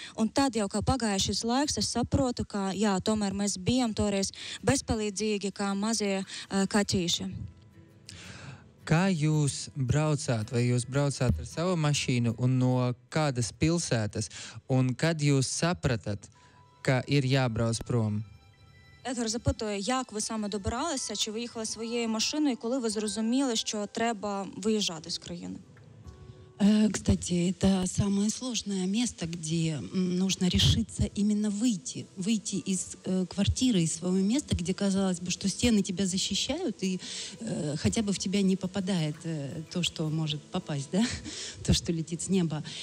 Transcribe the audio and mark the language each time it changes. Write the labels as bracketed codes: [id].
[lv] Un tad jau, kā pagājušies laiks, es saprotu, ka jā, tomēr mēs bijām toreiz bezpalīdzīgi, kā mazie kaķi. Kā jūs braucāt, vai jūs braucāt ar savu mašīnu un no kādas pilsētas, un kad jūs sapratat, ka ir jābrauc prom? [uk] Edvard запитує, як ви саме добралися, чи виїхали своєю машиною, коли ви зрозуміли, що треба виїжджати з країни? [ru] Кстати, это самое сложное место, где нужно решиться именно выйти. Выйти из квартиры, из своего места, где казалось бы, что стены тебя защищают, и хотя бы в тебя не попадает то, что может попасть, да? То, что летит с неба.